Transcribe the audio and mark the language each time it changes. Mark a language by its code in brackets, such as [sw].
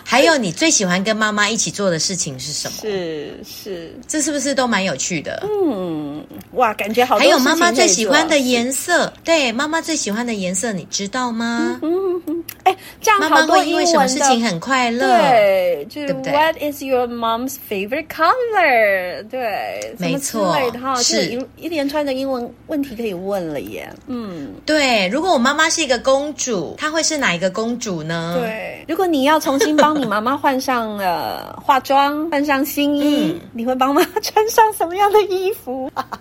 [zh] 还有你最喜欢跟妈妈一起做的事情是什么？是，这是不是都蛮有趣的？哇，感觉好多事情可以做。还有妈妈最喜欢的颜色，对，妈妈最喜欢的颜色你知道吗？哎，这样好多英文的。妈妈会因为什么事情很快乐？对，就是 [en] What is your mom's favorite color？ [zh] 对，没错，是一连串的英文问题可以问了耶。嗯，对，如果我妈妈是一个公主，她会是哪一个公主呢？对，如果你要重新帮你妈妈换上化妆，换上新衣，嗯，你会帮妈妈穿上什么样的衣服？